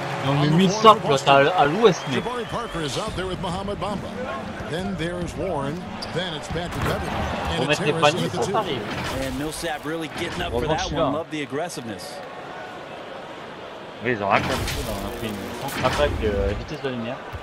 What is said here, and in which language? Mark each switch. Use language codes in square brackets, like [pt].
[fr] On est mis ça, là, à l'ouest, mais. [en] Jabari Parker is out there with Mohamed Bamba. Then there's Warren. Then it's back to Devin. And it's Harris with the two. And Millsap really getting up for that one. Love the aggressiveness. [fr] Oui, ils ont rien compris. On a pris une contre-attaque de vitesse de lumière.